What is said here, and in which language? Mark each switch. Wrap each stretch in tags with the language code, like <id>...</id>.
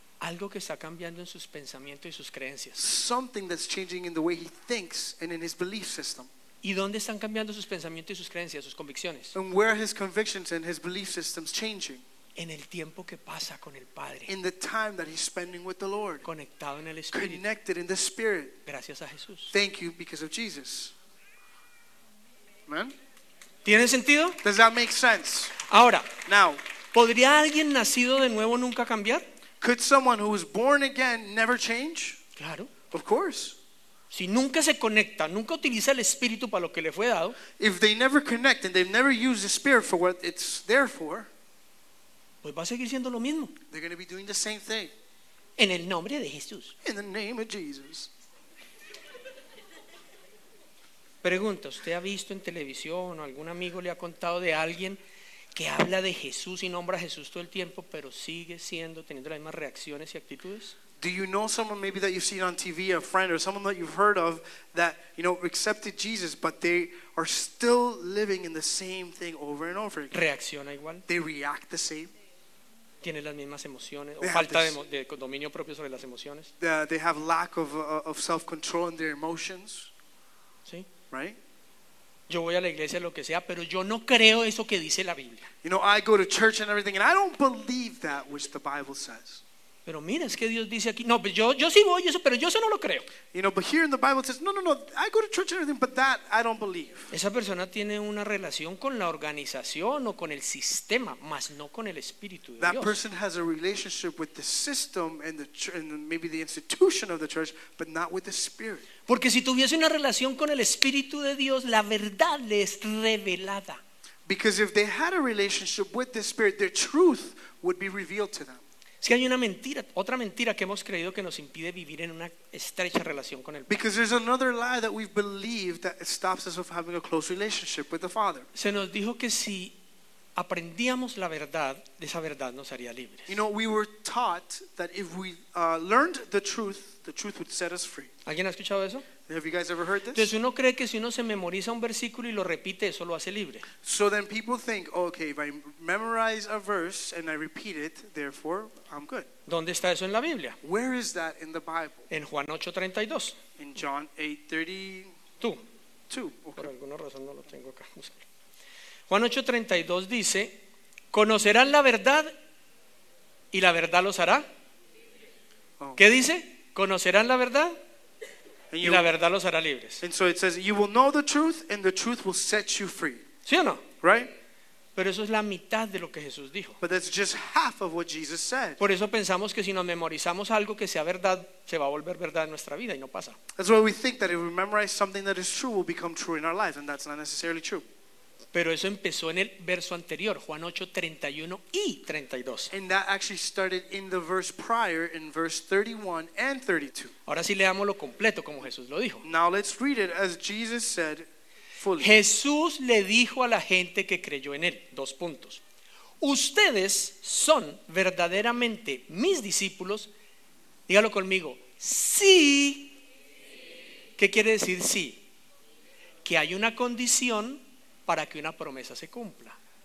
<es>Algo que está cambiando en sus pensamientos y sus creencias.</es> <en>Something that's changing in the way he thinks and in his belief system.</en> <es>¿Y dónde están cambiando sus pensamientos y sus creencias, sus convicciones?</es> <en>And where are his convictions and his belief systems changing?</en> <es>En el tiempo que pasa con el Padre.</es> <en>In the time that he's spending with the Lord.</en> <es>Conectado en el Espíritu.</es> <en>Connected in the Spirit.</en> <es>Gracias a Jesús.</es> <en>Thank you because of Jesus. Amen.</en> <es>¿Tiene sentido?</es> <en>Does that make sense?</en> <es>Ahora.</es> <en>Now.</en> <es>¿Podría alguien nacido de nuevo nunca cambiar?</es> <en>Could someone who was born again never change?</en> <es>Claro.</es> <en>Of course.</en> <es>Si nunca se conecta, nunca utiliza el espíritu para lo que le fue dado.</es> <en>If they never connect and they've never used the spirit for what it's there for.</en> <es>Pues va a seguir siendo lo mismo.</es> <en>They're going to be doing the same thing.</en> <es>En el nombre de Jesús.</es> <en>In the name of Jesus.</en> <es>Pregunta, ¿usted ha visto en televisión o algún amigo le ha contado de alguien que habla de Jesús y nombra a Jesús todo el tiempo, pero sigue siendo teniendo las mismas reacciones y actitudes?</es> <en>Do you know someone maybe that you've seen on TV, a friend or someone that you've heard of that, you know, accepted Jesus, but they are still living in the same thing over and over again?</en> <es>Reacciona igual.</es> <en>They react the same.</en> <es>Tienen las mismas emociones o falta de dominio propio sobre las emociones.</es> <en>They have lack of self-control in their emotions.</en> <es>Sí.</es> <en>Right?</en> <es>Yo voy a la iglesia lo que sea, pero yo no creo eso que dice la Biblia.</es> <en>You know, I go to church and everything, and I don't believe that which the Bible says.</en> <es>Pero mira, es que Dios dice aquí. No, pero yo sí voy eso, pero yo eso no lo creo.</es> <en>You know, but here in the Bible it says, no, I go to church and everything, but that I don't believe.</en> <es>Esa persona tiene una relación con la organización o con el sistema, más no con el Espíritu de</es> <en>that</en> <es>Dios.</es> <en>That person has a relationship with the system and maybe the institution of the church, but not with the Spirit.</en> <es>Porque si tuviese una relación con el Espíritu de Dios, la verdad le es revelada.</es> <en>Because if they had a relationship with the Spirit, their truth would be revealed to them.</en> <es>Es que hay una mentira, otra mentira que hemos creído que nos impide vivir en una estrecha relación con el Padre.</es> <en>Because there's another lie that we've believed that stops us from having a close relationship with the Father.</en> <es>Se nos dijo que si aprendíamos la verdad, de esa verdad nos haría libres.</es> <en>You know, we were taught that if we learned the truth would set us free.</en> <es>¿Alguien ha escuchado eso?</es> <en>Have you guys ever heard this?</en> <es>Entonces uno cree que si uno se memoriza un versículo y lo repite, eso lo hace libre.</es> <en>So then people think, okay, if I memorize a verse and I repeat it, therefore I'm good.</en> <es>¿Dónde está eso en la Biblia?</es> <en>Where is that in the Bible?</en> <es>En Juan 8:32.</es> <en>In John 8:32. Okay.</en> <es>Por alguna razón no lo tengo acá. Juan 8:32 dice, conocerán la verdad y la verdad los hará. Oh. ¿Qué dice? Conocerán la verdad.</es> <en>And</en> <es>y la verdad los hará libres.</es> <en>And so it says, you will know the truth, and the truth will set you free.</en> <es>¿Sí o no?</es> <en>Right?</en> <es>Pero eso es la mitad de lo que Jesús dijo.</es> <en>But that's just half of what Jesus said.</en> <es>Por eso pensamos que si nos memorizamos algo que sea verdad, se va a volver verdad en nuestra vida, y no pasa.</es> <en>That's why we think that if we memorize something that is true, will become true in our lives, and that's not necessarily true.</en> <es>Pero eso empezó en el verso anterior, Juan 8:31 y 32.</es> <en>And that actually started in the verse prior, in verse 31 and 32.</en> <es>Ahora sí leámoslo completo como Jesús lo dijo.</es> <en>Now let's read it as Jesus said fully.</en> <es>Jesús le dijo a la gente que creyó en él, dos puntos. Ustedes son verdaderamente mis discípulos. Dígalo conmigo. Sí. Sí. ¿Qué quiere decir sí? Que hay una condición para que una promesa se cumpla.</es>